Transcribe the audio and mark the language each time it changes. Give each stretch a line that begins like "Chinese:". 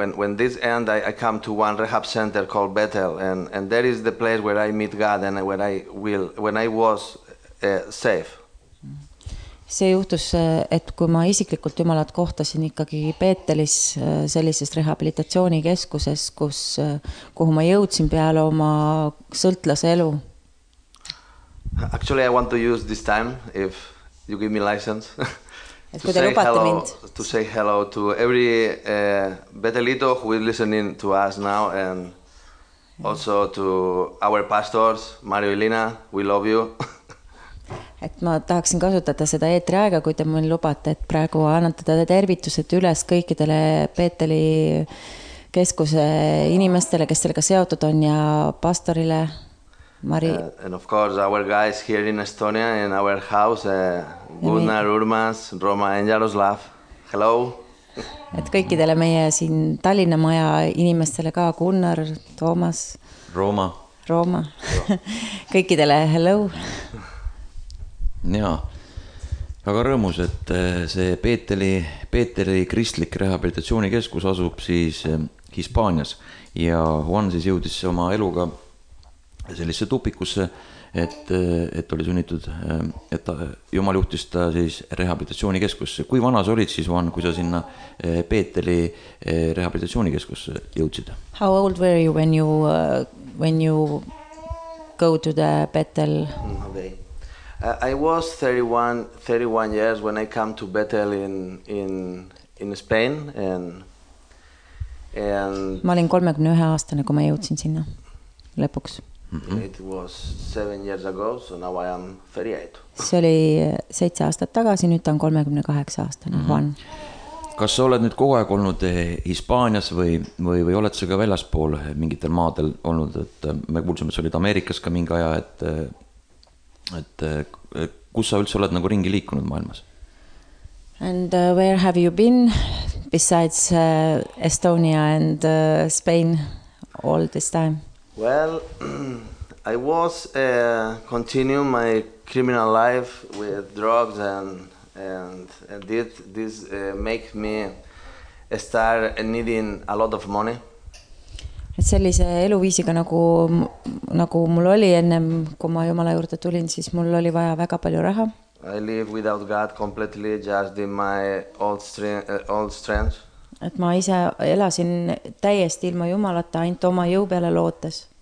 English: When this end, I come to one rehab center called Bethel, and that is the place where I meet God and where I will, when I was safe.
Estonian: See juhtus, et kui ma isiklikult Jumalat kohtasin ikkagi Peetelis sellises rehabilitatsioonikeskuses, kuhu ma jõudsin peale oma sõltlase elu.
English: Actually, I want to use this time, if you give me license, to say hello to every Betelito who is listening to us now, and also to our pastors, Mario Elina, we love you.
Estonian: Et ma tahaksin kasutada seda eetri aega, kui te mul lubate, et praegu annatada tervitused üles kõikidele Peeteli keskuse inimestele, kes sellega seotud on, ja pastorile Mari.
English: And of course our guys here in Estonia in our house, Gunnar Urmas, Roma and Jaroslav. Hello.
Estonian: Et kõikidele meie siin Tallinna maja inimestele ka, Gunnar, Toomas. Roma. Kõikidele hello. Ja, aga rõõmus, et see Peeteli kristlik rehabilitatsioonikeskus asub siis Hispaanias ja Juan siis jõudis oma eluga sellise tupikusse, et oli sunnitud, et ta jumal juhtis ta siis rehabilitatsioonikeskusse. Kui vana sa olid siis, Juan, kui sa sinna Peeteli rehabilitatsioonikeskusse jõudsid?
English: How old were you when you go to the Bethel? I was 31 years when I came to Bethel in Spain and
Estonian: Ma olin 31 aastane, kui ma jõudsin sinna lõpuks.
English: Mm-hmm. It was 7 years ago, so now I am 38.
Estonian: See oli 7 aastat tagasi, nüüd on 38 aastane. Mm-hmm. Kas sa oled nüüd kogu aeg olnud Hispaanias või oled sa ka väljaspool mingitel maadel olnud? Et me kuulsime, et sa olid Ameerikas ka mingi aja, et kus sa üldse oled nagu ringi liikunud maailmas?
English: And where have you been besides Estonia and Spain all this time? Well, I was continue my criminal life with drugs and this make me start needing a lot of money.
Estonian: Et sellise eluviisiga nagu mul oli ennem, kui ma Jumala juurde tulin, siis mul oli vaja väga palju raha.
English: I live without God completely, just in my old strength.
Estonian: Et ma ise elasin täiesti ilma Jumalata, ainult oma jõu peale lootes.